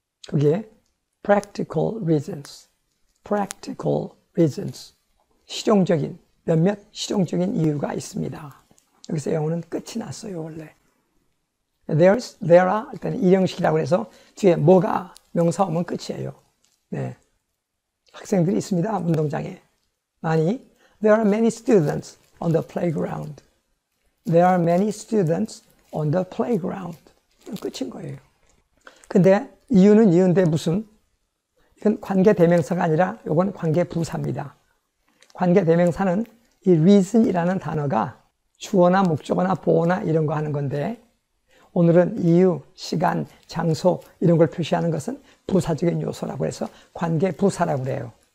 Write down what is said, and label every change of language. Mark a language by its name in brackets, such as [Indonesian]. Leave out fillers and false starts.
[Korean] 그게 [English] practical reasons. Practical reasons. [Korean] 실용적인. 몇몇 실용적인 이유가 있습니다. 여기서 영어는 끝이 났어요, 원래. [English] There's, there are, [Korean] 일단 일형식이라고 해서 뒤에 뭐가 명사 오면 끝이에요. 네. 학생들이 있습니다, 운동장에. 많이. [English] There are many students on the playground. There are many students on the playground. [Korean] 끝인 거예요. 근데 이유는 이유인데 무슨? 이건 관계대명사가 아니라 이건 관계부사입니다. 관계대명사는 이 reason이라는 단어가 주어나 목적어나 보어나 이런 거 하는 건데 오늘은 이유, 시간, 장소 이런 걸 표시하는 것은 부사적인 요소라고 해서 관계부사라고 그래요.